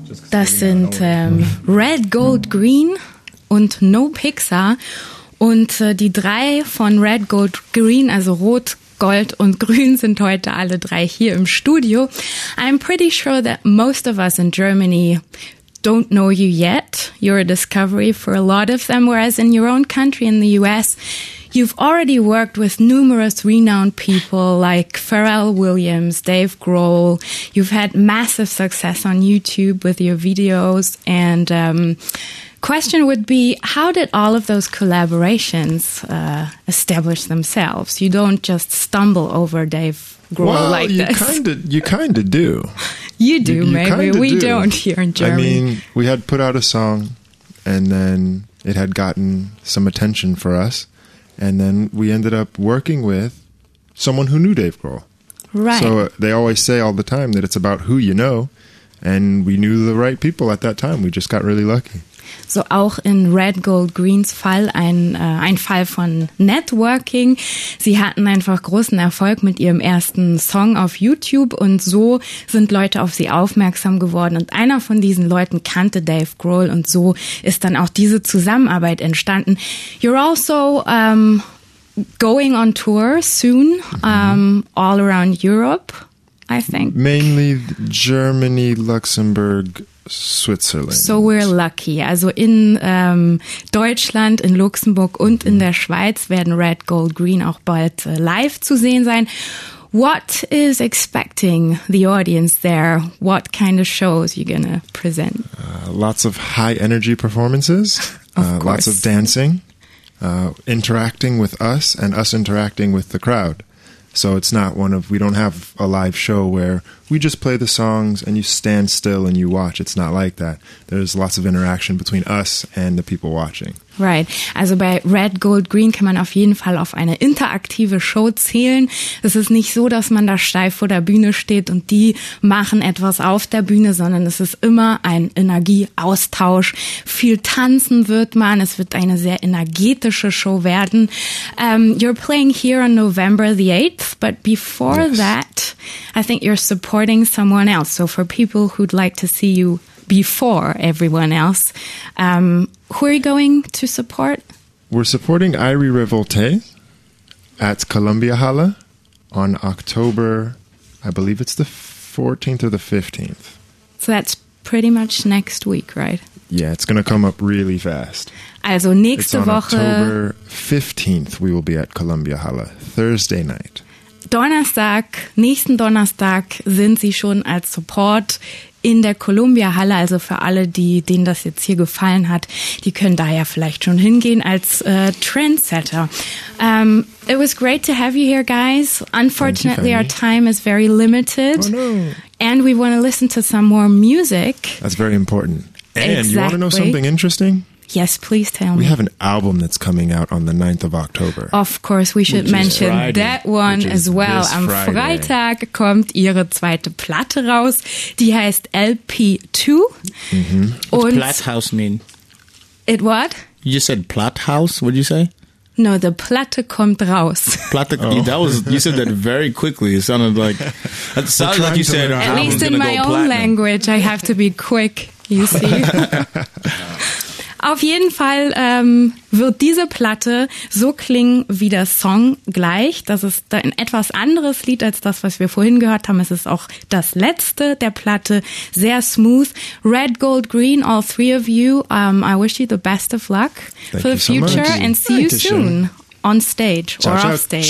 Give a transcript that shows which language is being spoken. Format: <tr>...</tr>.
<de>Das sind Red, Gold, Green und No Pixar. Und die drei von Red, Gold, Green, also Rot, Gold und Grün, sind heute alle drei hier im Studio.</de> <en>I'm pretty sure that most of us in Germany don't know you yet. You're a discovery for a lot of them, whereas in your own country, in the U.S., you've already worked with numerous renowned people like Pharrell Williams, Dave Grohl. You've had massive success on YouTube with your videos. And question would be, how did all of those collaborations establish themselves? You don't just stumble over Dave Grohl you kind of do. You do, maybe. We don't here in Germany. I mean, we had put out a song and then it had gotten some attention for us. And then we ended up working with someone who knew Dave Grohl. Right. So they always say all the time that it's about who you know. And we knew the right people at that time. We just got really lucky.</en> <de>So auch in Red, Gold, Greens Fall ein Fall von Networking. Sie hatten einfach großen Erfolg mit ihrem ersten Song auf YouTube und so sind Leute auf sie aufmerksam geworden und einer von diesen Leuten kannte Dave Grohl und so ist dann auch diese Zusammenarbeit entstanden.</de> <en>You're also going on tour soon, all around Europe, I think. Mainly Germany, Luxembourg, Switzerland. So we're lucky.</en> <de>Also in Deutschland, in Luxemburg und in der Schweiz werden Red, Gold, Green auch bald live zu sehen sein.</de> <en>What is expecting the audience there? What kind of shows are you going to present? Lots of high energy performances. Of course. Lots of dancing. Interacting with us and us interacting with the crowd. So it's not one of, we don't have a live show where we just play the songs and you stand still and you watch. It's not like that. There's lots of interaction between us and the people watching. Right. Also bei Red, Gold, Green kann man auf jeden Fall auf eine interaktive Show zählen. Es ist nicht so, dass man da steif vor der Bühne steht und die machen etwas auf der Bühne, sondern es ist immer ein Energieaustausch. Viel tanzen wird man. Es wird eine sehr energetische Show werden. You're playing here on November the 8th, but before that, I think you're supporting someone else. So for people who'd like to see you before everyone else, who are you going to support? We're supporting Iri Revolte at Columbia Halle on October, I believe it's the 14th or the 15th. So that's pretty much next week, right? Yeah, it's going to come up really fast.</en> <de>Also nächste Woche.</de> <en>October 15th we will be at Columbia Halle, Thursday night.</en> <de>Donnerstag, nächsten Donnerstag sind sie schon als Support in der Columbia Halle, also für alle, denen das jetzt hier gefallen hat, die können da ja vielleicht schon hingehen als Trendsetter.</de> <en>It was great to have you here, guys. Unfortunately, our time is very limited. Oh, no. And we want to listen to some more music. That's very important. And exactly. You want to know something interesting? Yes, please tell me. We have an album that's coming out on the 9th of October. Of course, we should mention that one as well.</en> <de>Am Freitag kommt ihre zweite Platte raus. Die heißt LP2.</de> <en>Mm-hmm. What does Platthaus mean? It what? You said Platthaus, what did you say? No, the</en> <de>Platte kommt raus.</de> <en>Platte, oh. You said that very quickly. It sounded like you said at least in my own platinum. Language, I have to be quick, you see?</en> <de>auf jeden Fall wird diese Platte so klingen wie der Song gleich. Das ist ein etwas anderes Lied als das, was wir vorhin gehört haben. Es ist auch das letzte der Platte. Sehr smooth.</de> <en>Red, gold, green, all three of you. I wish you the best of luck for the future. And see you soon on stage or off stage.</en>